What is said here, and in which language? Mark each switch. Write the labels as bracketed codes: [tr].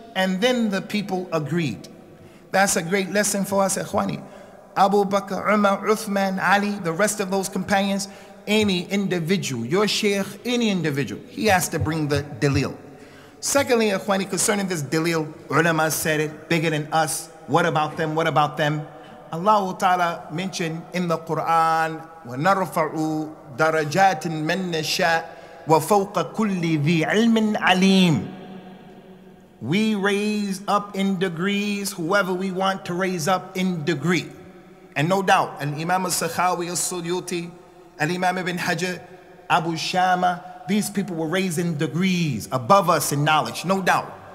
[en] And then the people agreed. That's a great lesson for us, Ikhwani. Abu Bakr, Umar, Uthman, Ali, the rest of those companions, any individual, your sheikh, any individual, he has to bring the dalil. Secondly, Ikhwani, concerning this dalil, ulama said it, bigger than us. What about them? What about them? Allah Ta'ala mentioned in the Quran, [ar] وَنَرْفَعُ دَرَجَاتٍ مَنْ نَشَاءٍ وَفَوْقَ كُلِّ ذِي عِلْمٍ عَلِيمٍ. [en] We raise up in degrees whoever we want to raise up in degree. And no doubt, Al-Imam al-Sakhawi al-Suyuti, Al-Imam ibn Hajar, Abu Shama, these people were raising degrees above us in knowledge, no doubt.